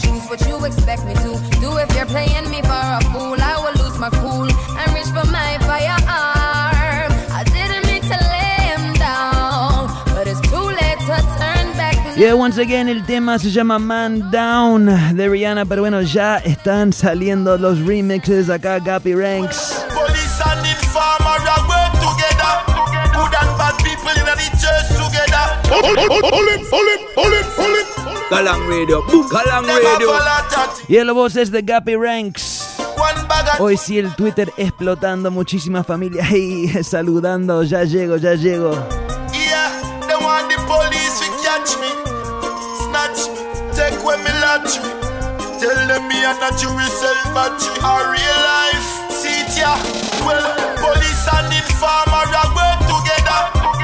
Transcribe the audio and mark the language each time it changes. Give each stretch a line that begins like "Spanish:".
English: What you expect me to do if you're playing me for a fool? I will lose my cool and reach for my firearm. I didn't mean to lay him down, but it's too late to turn back. Yeah, once again,
Spanish: el tema se llama Man Down de Rihanna. Pero bueno, ya están saliendo los remixes acá, Gappy Ranks.
English: Police and informer are working together. Good and bad people in the church together. Hold him. Galang Radio.
Spanish: Y la voz es de Gappy Ranks. Hoy sí, el Twitter explotando, muchísima familia ahí saludando. Ya llego.
English: Yeah, they want the police to catch me, snatch me, take where me latch me. Tell them me a natural celebrity, a real life. See it, yeah. Well, police and informer are work together.